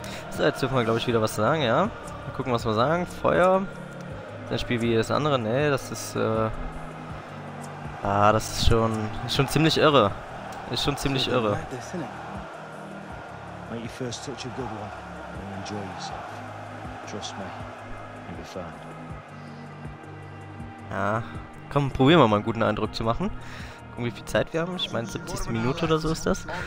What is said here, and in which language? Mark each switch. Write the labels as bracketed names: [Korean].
[German] So, jetzt dürfen wir, glaube ich, wieder was sagen, ja? Mal gucken, was wir sagen. Feuer. Das Spiel wie jedes andere. Nee, das ist, das ist schon ziemlich irre. Ist schon ziemlich irre. [English] Make your first touch a good one and enjoy yourself. Trust me, you'll be fine. [German] Ja, komm, probieren wir mal einen guten Eindruck zu machen. Gucken, wie viel Zeit wir haben. Ich meine, 70. Minute oder so ist das.